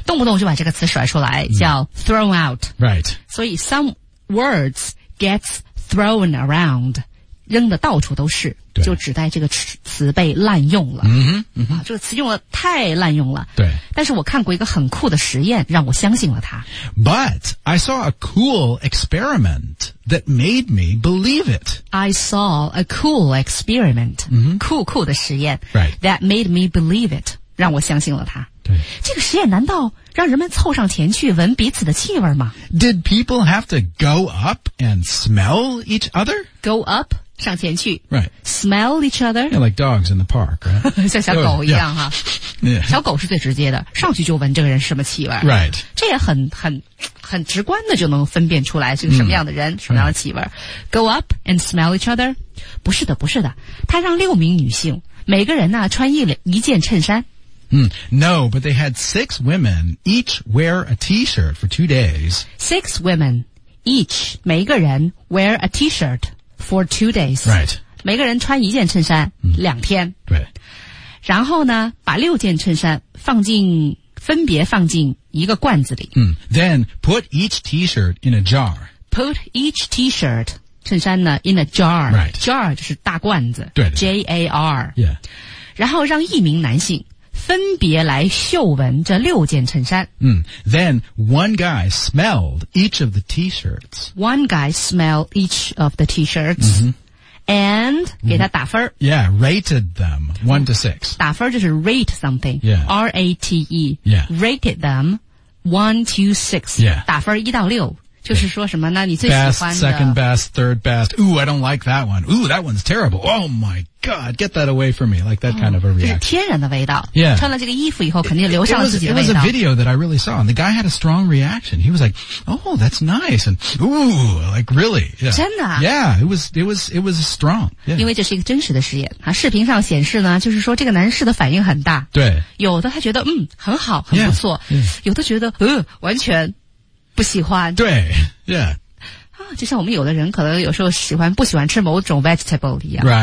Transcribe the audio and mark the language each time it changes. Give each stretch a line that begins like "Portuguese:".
Chinese: 动不动就把这个词甩出来叫
English: thrown out. Right.
Chinese: 所以
English: some words gets thrown around,
Chinese: 扔的到处都是，就指代这个词被滥用了。嗯哼，啊，这个词用了太滥用了。对，但是我看过一个很酷的实验，让我相信了它。
English: But I saw a cool experiment that made me believe it. I saw a cool experiment,、 mm-hmm.
Chinese: 酷酷的实验、
English: right. that made me believe it,
Chinese: 让我相信了它。对，这个实验难道让人们凑上前去闻彼此的气味吗？
English: Did people have to go up and smell each other? Go up,
Chinese: 上前去。
English: Right. Smell each other? Yeah, like dogs in the park, right?
Chinese: 像小狗一样哈。
English: Yeah.
Chinese: 小狗是最直接的，上去就闻这个人什么气味。
English: Right.
Chinese: 这也很直观的就能分辨出来是什么样的人、什么样的气味。
English: Go up and smell each other?
Chinese: 不是的，不是的。他让六名女性，每个人呢、穿一件衬衫。
English: No, but they had six women each wear a t-shirt for 2 days. Six women each,
Chinese: 每一个人
English: wear a t-shirt for 2 days. Right.
Chinese: 每个人穿一件衬衫、两天。对。然后呢把六件衬衫分别放进一个罐子里。
English: Then put each t-shirt in a jar. Put each t-shirt,
Chinese: 衬衫呢
English: in a jar. Right.
Chinese: Jar 就是大罐子。对, 对, 对。
English: J-A-R. Yeah.
Chinese: 然后让一名男性分别来嗅闻这六件衬衫。
English: Then one guy smelled each of the t-shirts. One guy smelled each of the t-shirts.
Chinese: And 给他打分。
English: Yeah, rated them 1 to 6.
Chinese: 打分就是 rate something.
English: Yeah. R-A-T-E. Yeah. Rated them 1 to 6. Yeah.
Chinese: 打分1到6。就是说什么呢？你最喜欢的
English: best, second best, third best. Ooh, I don't like that one. Ooh, that one's terrible. Oh my god, get that away from me. Like that kind of a reaction.
Chinese: 天然的味道。
English: Yeah.
Chinese: 穿了这个衣服以后，肯定留下了自己的味道。
English: It was a video that I really saw, and the guy had a strong reaction. He was like, "Oh, that's nice," and "Ooh, like really." Yeah.
Chinese: 真的。
English: Yeah, it was strong. Yeah.
Chinese: 因为这是一个真实的实验啊。视频上显示呢，就是说这个男士的反应很大。对。有的他觉得很好，很不错。
English: Yeah.
Chinese: 有的觉得完全。不喜欢。对 ,yeah. 啊就像我们有的人可能有时候不喜欢吃某种 vegetable 一样。